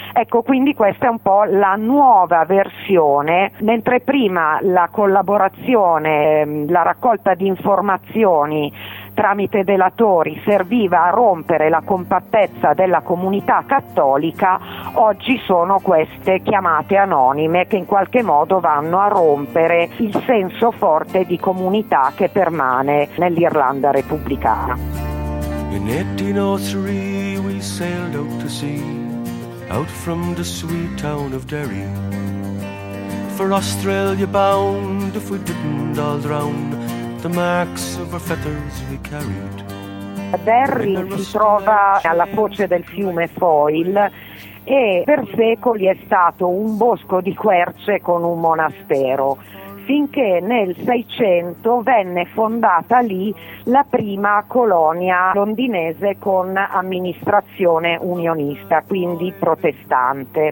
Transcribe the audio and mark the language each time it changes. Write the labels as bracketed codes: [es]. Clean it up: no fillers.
[it] Ecco, quindi questa è un po' la nuova versione, mentre prima la collaborazione, la raccolta di informazioni tramite delatori serviva a rompere la compattezza della comunità cattolica, oggi sono queste chiamate anonime che in qualche modo vanno a rompere il senso forte di comunità che permane nell'Irlanda repubblicana. [en] In 1803 we sailed out to sea, out from the sweet town of Derry. For Australia bound, if we didn't all drown, the marks of our feathers we carried. [it] Derry si trova alla foce del fiume Foyle, e per secoli è stato un bosco di querce con un monastero, finché nel 600 venne fondata lì la prima colonia londinese con amministrazione unionista, quindi protestante.